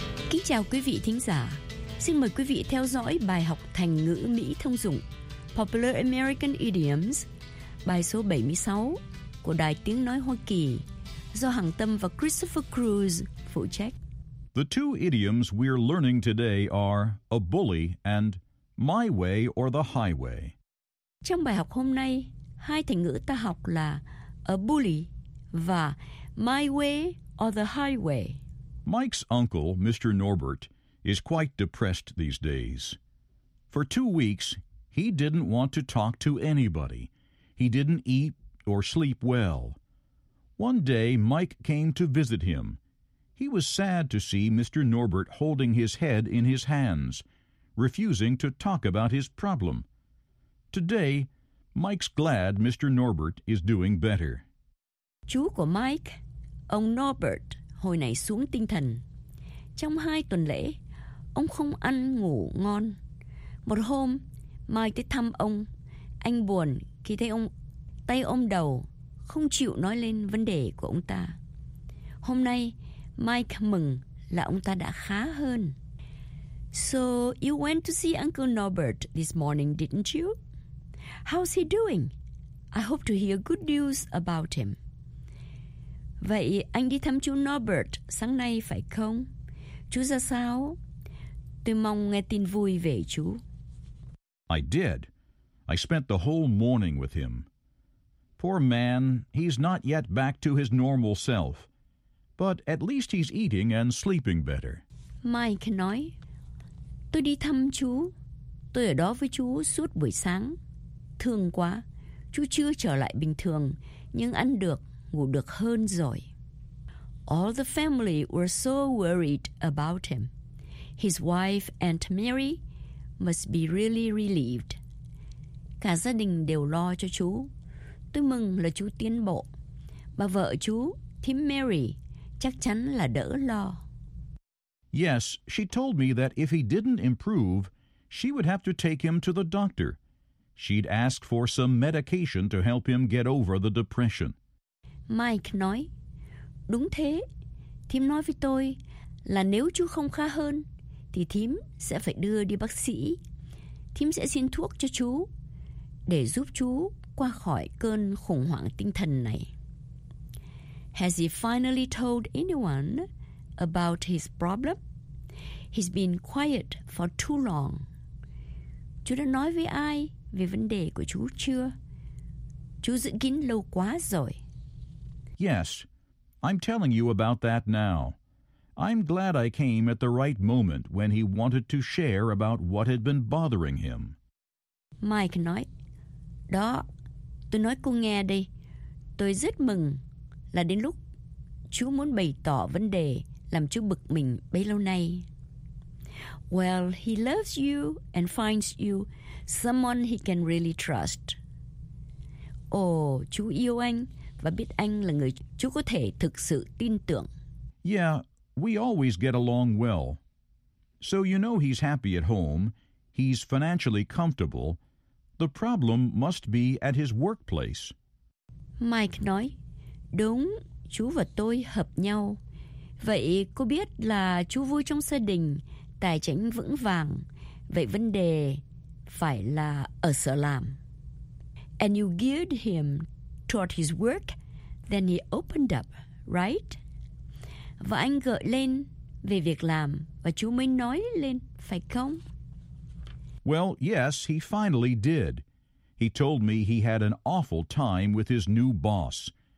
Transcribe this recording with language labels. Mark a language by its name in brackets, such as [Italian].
[Vietnamese] Kính chào quý vị thính giả. Xin mời quý vị theo dõi bài học thành ngữ Mỹ thông dụng Popular American Idioms, bài số 76 của Đài Tiếng Nói Hoa Kỳ, do Hằng Tâm và Christopher Cruz phụ trách. [English] The two idioms we're learning today are a bully and my way or the highway. [Vietnamese] Trong bài học hôm nay, hai thành ngữ ta học là a bully và my way or the highway. [English] Mike's uncle, Mr. Norbert, is quite depressed these days. For 2 weeks, he didn't want to talk to anybody. He didn't eat or sleep well. One day, Mike came to visit him. He was sad to see Mr. Norbert holding his head in his hands, refusing to talk about his problem. Today, Mike's glad Mr. Norbert is doing better. [Vietnamese] Chú của Mike, ông Norbert, hồi nãy xuống tinh thần. Trong 2 tuần lễ, ông không ăn ngủ ngon. Một hôm, Mai tới thăm ông. Anh buồn khi thấy ông tay ôm đầu, không chịu nói lên vấn đề của ông ta. Hôm nay, Mike mừng là ông ta đã khá hơn. [English] So, you went to see Uncle Norbert this morning, didn't you? How's he doing? I hope to hear good news about him. [Vietnamese] Vậy, anh đi thăm chú Norbert sáng nay phải không? Chú ra sao? Tôi mong nghe tin vui về chú. [English] I did. I spent the whole morning with him. Poor man, he's not yet back to his normal self. But at least he's eating and sleeping better. [Vietnamese] Mike nói, tôi đi thăm chú. Tôi ở đó với chú suốt buổi sáng. Thương quá, chú chưa trở lại bình thường, nhưng ăn được, ngủ được hơn rồi. [English] All the family were so worried about him. His wife, Aunt Mary, must be really relieved. [Vietnamese] Cả gia đình đều lo cho chú. Tôi mừng là chú tiến bộ. Bà vợ chú, Thím Mary, chắc chắn là đỡ lo. [English] Yes, she told me that if he didn't improve, she would have to take him to the doctor. She'd ask for some medication to help him get over the depression. [Vietnamese] Mike nói, đúng thế. Thím nói với tôi là nếu chú không khá hơn, thì thím sẽ phải đưa đi bác sĩ. Thím sẽ xin thuốc cho chú để giúp chú qua khỏi cơn khủng hoảng tinh thần này. [English] Has he finally told anyone about his problem? He's been quiet for too long. [Vietnamese] Chú đã nói với ai về vấn đề của chú chưa? Chú giữ kín lâu quá rồi. [English] Yes, I'm telling you about that now. I'm glad I came at the right moment when he wanted to share about what had been bothering him. [Vietnamese] Mike nói, đó, tôi nói cô nghe đây. Tôi rất mừng là đến lúc chú muốn bày tỏ vấn đề làm chú bực mình bấy lâu nay. [English] Well, he loves you and finds you someone he can really trust. [Vietnamese] Ồ, chú yêu anh và biết anh là người chú có thể thực sự tin tưởng. [English] Yeah, we always get along well. So you know he's happy at home, he's financially comfortable. The problem must be at his workplace. [Vietnamese] Mike nói, đúng, chú và tôi hợp nhau. Vậy cô biết là chú vui trong gia đình, tài chính vững vàng. Vậy vấn đề phải là ở sở làm. [English] And you geared him toward his work, then he opened up, right? [Vietnamese] Và anh gợi lên về việc làm và chú mới nói lên, phải không? [English] Well, yes, he finally did. He told me he had an awful time with his new boss.